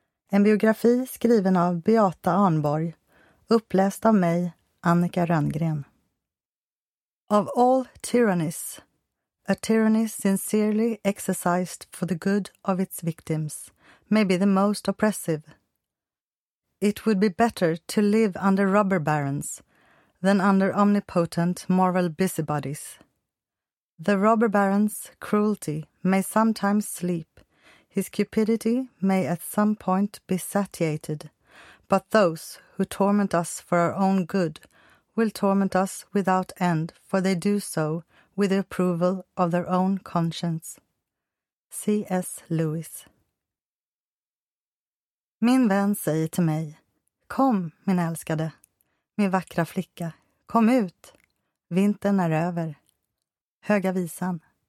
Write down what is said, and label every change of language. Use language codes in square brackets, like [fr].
[sv] En biografi skriven av Beata Arnborg, uppläst av mig, Annika Rönngren. [en] Of all tyrannies, a tyranny sincerely exercised for the good of its victims may be the most oppressive. It would be better to live under robber barons than under omnipotent moral busybodies. The robber baron's cruelty may sometimes sleep, his cupidity may at some point be satiated, but those who torment us for our own good will torment us without end, for they do so with the approval of their own conscience. C.S. Lewis. [sv] Min vän säger till mig, kom min älskade, min vackra flicka, kom ut, vintern är över. Höga visan.